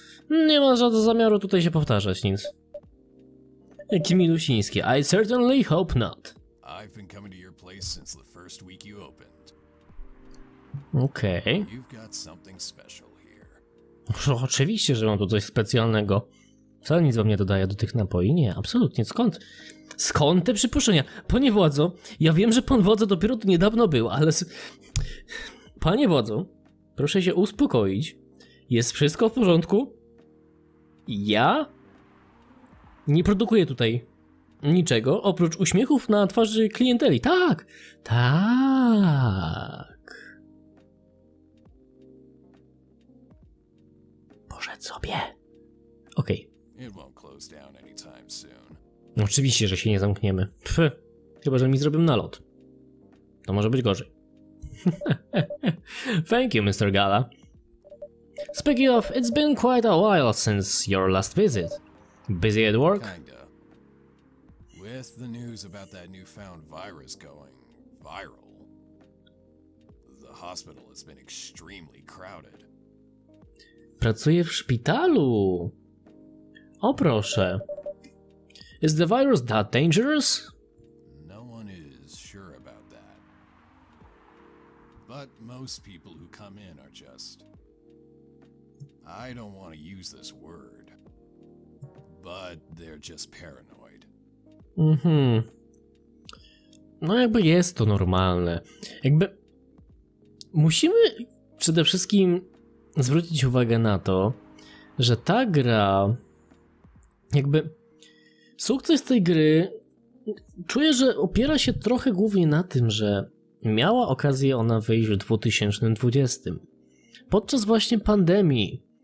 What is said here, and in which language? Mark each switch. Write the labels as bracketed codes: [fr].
[pl] Nie ma żadnego zamiaru tutaj się powtarzać nic. [en] Kimi Lusiński. I certainly hope not. I've been coming to your place since the first week you opened. Okay. You've got something special here. [pl] Oczywiście, że mam tu coś specjalnego. Wcale nic wam nie dodaje do tych napoi? Nie, absolutnie. Skąd? Skąd te przypuszczenia? Panie władzo, ja wiem, że pan władzo dopiero tu niedawno był, ale... Panie władzo, proszę się uspokoić. Jest wszystko w porządku? Ja? Nie produkuję tutaj niczego, oprócz uśmiechów na twarzy klienteli. Tak! Tak! Poszedł sobie. Okej. Okay. [en] It won't close down anytime soon. [pl] Oczywiście, że się nie zamkniemy. Pf, chyba, że mi zrobią nalot. To może być gorzej. [en] Thank you, Mr. Gala. Speaking of, it's been quite a while since your last visit. Busy at work? Kinda. With the news about that newfound virus going viral, the hospital has been extremely crowded. [pl] Pracuję w szpitalu. O proszę. [en] Is the virus that dangerous? No one is sure about that. But most people who come in are just... I don't want to use this word. But they're just paranoid. Mhm. [pl] No jakby jest to normalne. Jakby... Musimy przede wszystkim zwrócić uwagę na to, że ta gra... Jakby sukces tej gry czuję, że opiera się trochę głównie na tym, że miała okazję ona wyjść w 2020, podczas właśnie pandemii.